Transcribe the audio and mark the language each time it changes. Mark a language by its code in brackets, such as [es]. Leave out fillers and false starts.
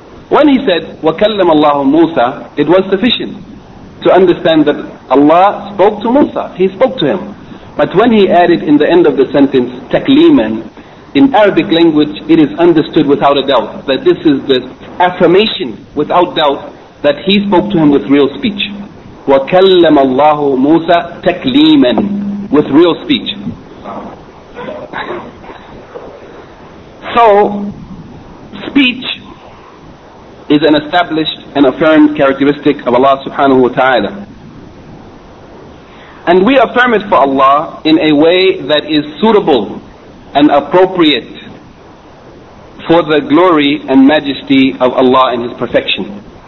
[en] When he said, [ar] وَكَلَّمَ اللَّهُ مُوسَى, [en] it was sufficient to understand that Allah spoke to Musa, he spoke to him. But when he added in the end of the sentence, [ar] تَكْلِيمًا, [en] in Arabic language, it is understood without a doubt that this is the affirmation without doubt that he spoke to him with real speech. [ar] وَكَلَّمَ اللَّهُ مُوسَى تَكْلِيمًا, [en] with real speech. So, speech is an established and affirmed characteristic of Allah subhanahu wa ta'ala. And we affirm it for Allah in a way that is suitable and appropriate for the glory and majesty of Allah and His perfection.